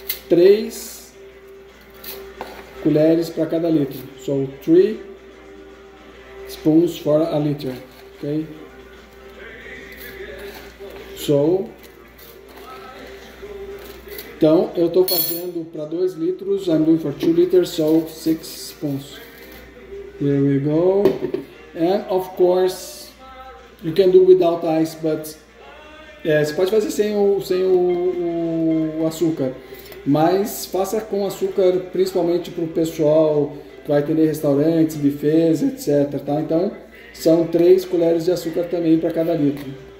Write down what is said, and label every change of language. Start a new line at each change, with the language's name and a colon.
Portuguese: 3 colheres para cada litro,
English: so 3 spoons for a liter, ok?
Portuguese: Então, eu estou fazendo para 2 litros,
English: I'm doing for 2 liters, so 6 spoons. Here we go. And, of course, you can do without ice, but...
Portuguese: você pode fazer sem o açúcar. Mas faça com açúcar, principalmente para o pessoal que vai atender restaurantes, bufês, etc. Tá? Então, são 3 colheres de açúcar também para cada litro.